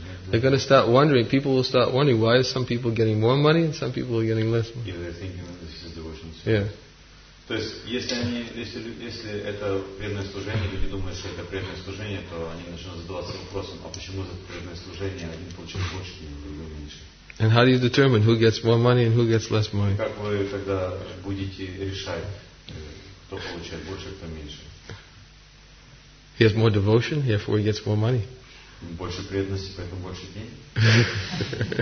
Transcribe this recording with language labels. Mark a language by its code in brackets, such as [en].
[en] They're going to start wondering. People will start wondering why are some people getting more money and some people are getting less money. Yeah, they're thinking that this is devotion. Yeah. [ru] То есть, если это преданное служение, люди думают, что это преданное служение, то они начнут задаваться вопросом, а почему за преданное служение один получил больше, а другой меньше? [en] And how do you determine who gets more money and who gets less money? [ru] Как вы тогда будете решать, кто получает больше, кто меньше? [en] He has more devotion, therefore he gets more money. [ru] Больше преданности, поэтому больше денег.